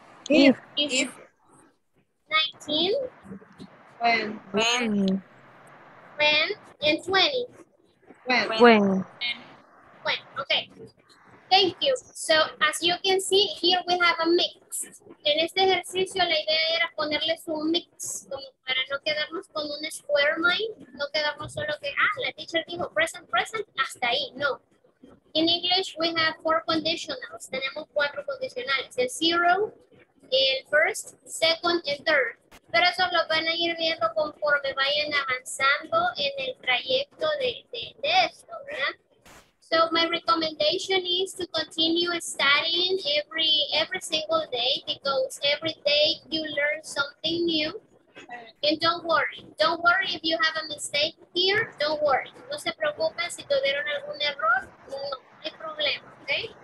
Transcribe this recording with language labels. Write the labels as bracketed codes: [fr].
[en] If. If. 19. When. When. When. And 20. When. When. When. Okay. Thank you. So, as you can see, here we have a mix. [es] En este ejercicio, la idea era ponerles un mix, como para no quedarnos con un square mind, no quedarnos solo que, ah, la teacher dijo present, present, hasta ahí, no. [en] In English, we have four conditionals. [es] Tenemos cuatro condicionales, [en] el zero, el first, second, and third. [es] Pero eso lo van a ir viendo conforme vayan avanzando en el trayecto de esto, ¿verdad? [en] So my recommendation is to continue studying every single day, because every day you learn something new. And don't worry if you have a mistake here, don't worry. [es] No se preocupen si tuvieron algún error, no hay problema, okay?